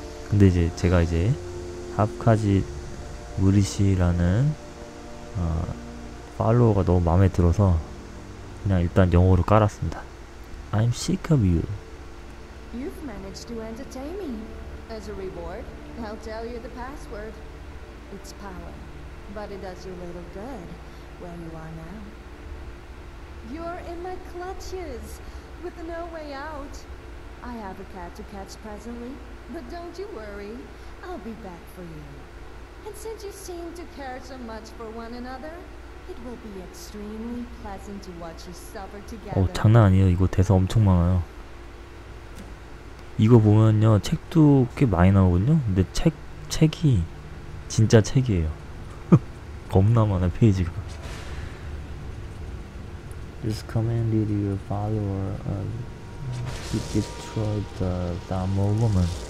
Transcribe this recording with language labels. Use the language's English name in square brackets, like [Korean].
[Korean] 근데 이제 제가 이제 하프카지 무리시라는 팔로워가 너무 마음에 들어서 그냥 일단 영어로 깔았습니다. [English] I'm sick of you. You've managed to entertain me. As a reward, I'll tell you the password. It's power, but it does you little good where you are now. You're in my clutches, with no way out. I have a cat to catch presently, but don't you worry, I'll be back for you. And since you seem to care so much for one another, it will be extremely pleasant to watch you suffer together. [Korean] 오, 장난 아니에요. 이거 대사 엄청 많아요. 이거 보면요, 책도 꽤 많이 나오거든요. 근데 책이 진짜 책이에요. 겁나 많아 페이지가. [English] This commanded your follower to destroy the Damo woman.